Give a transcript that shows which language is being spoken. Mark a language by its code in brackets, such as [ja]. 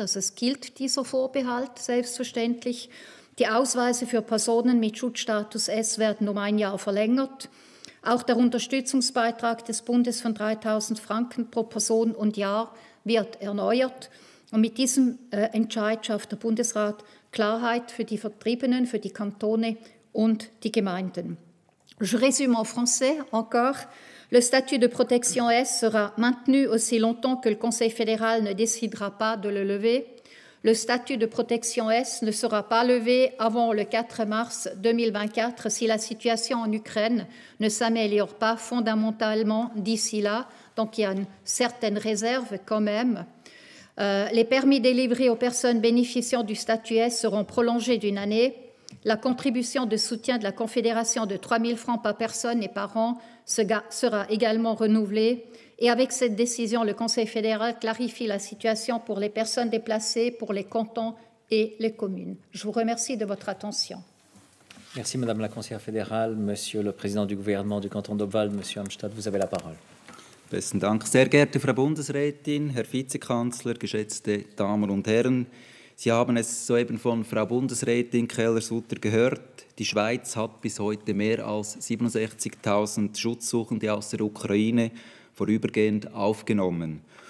[de] Also es gilt dieser Vorbehalt selbstverständlich. Die Ausweise für Personen mit Schutzstatus S werden um ein Jahr verlängert. Auch der Unterstützungsbeitrag des Bundes von 3.000 Franken pro Person und Jahr wird erneuert. Und mit diesem Entscheid schafft der Bundesrat Klarheit für die Vertriebenen, für die Kantone und die Gemeinden. [fr] Je résume en français encore. Le statut de protection S sera maintenu aussi longtemps que le Conseil fédéral ne décidera pas de le lever. Le statut de protection S ne sera pas levé avant le 4 mars 2024 si la situation en Ukraine ne s'améliore pas fondamentalement d'ici là. Donc il y a une certaine réserve quand même. Les permis délivrés aux personnes bénéficiant du statut S seront prolongés d'une année. La contribution de soutien de la Confédération de 3 000 francs par personne et par an sera également renouvelée. Et avec cette décision, le Conseil fédéral clarifie la situation pour les personnes déplacées, pour les cantons et les communes. Je vous remercie de votre attention. Merci, Madame la Conseillère fédérale. Monsieur le Président du gouvernement du canton d'Obwald, Monsieur Amstadt, vous avez la parole. [de] Besten Dank. Sehr geehrte Frau Bundesrätin, Herr Vizekanzler, geschätzte Damen und Herren, Sie haben es soeben von Frau Bundesrätin Keller-Sutter gehört. Die Schweiz hat bis heute mehr als 67.000 Schutzsuchende aus der Ukraine vorübergehend aufgenommen.